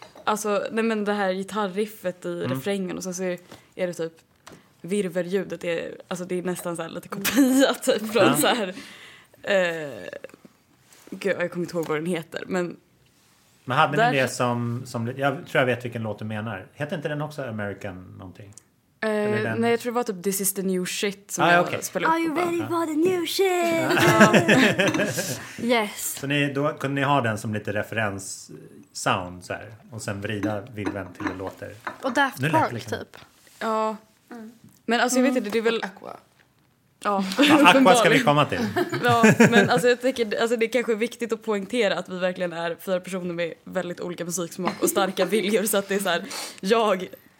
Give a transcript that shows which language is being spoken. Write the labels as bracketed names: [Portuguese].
[Swedish] Alltså, nej, men det här gitarriffet i refrängen, och sen så är det typ virverljudet, är, alltså, det är nästan så här lite kopia typ från så här, gud, jag kommer inte ihåg vad den heter, men hade där ni det som jag tror jag vet vilken låt du menar. Heter inte den också American någonting? Nej, jag tror det var typ This is the new shit som jag spelade upp. [English] Are you ready for the new shit? Yes. [Swedish] Så då kunde ni ha den som lite referens sound så här, och sen vrida vilven till det låter. Och Daft Punk liksom. Typ. Ja. Men alltså, jag vet inte, det är väl Aqua. Ja, Aqua ska vi komma till. Ja, men alltså, jag tycker, alltså, det är kanske viktigt att poängtera att vi verkligen är fyra personer med väldigt olika musiksmak och starka viljor, så att det är så här, jag